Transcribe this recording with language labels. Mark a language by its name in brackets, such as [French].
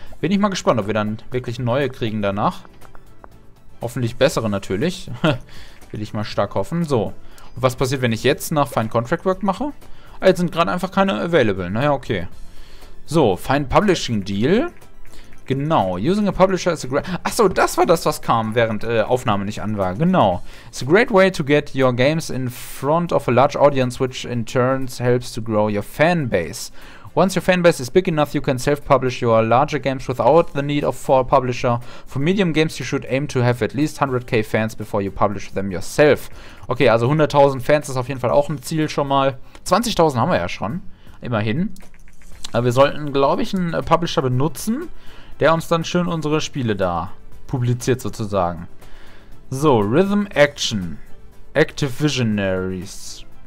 [German] Bin ich mal gespannt, ob wir dann wirklich neue kriegen danach. Hoffentlich bessere natürlich. Will ich mal stark hoffen. So, und was passiert, wenn ich jetzt nach Find Contract Work mache? Jetzt sind gerade einfach keine available. Naja, okay. So, Find Publishing Deal. Genau. [English] Using a publisher is a great... [German] Achso, das war das, was kam, während Aufnahme nicht an war. Genau. [English] It's a great way to get your games in front of a large audience, which in turn helps to grow your fanbase. Once your fanbase is big enough, you can self-publish your larger games without the need of a publisher. For medium games, you should aim to have at least 100k fans before you publish them yourself. [German] Okay, also 100.000 Fans ist auf jeden Fall auch ein Ziel schon mal. 20.000 haben wir ja schon. Immerhin. Aber wir sollten, glaube ich, einen Publisher benutzen, der uns dann schön unsere Spiele da publiziert sozusagen. So, Rhythm Action. Active Visionaries.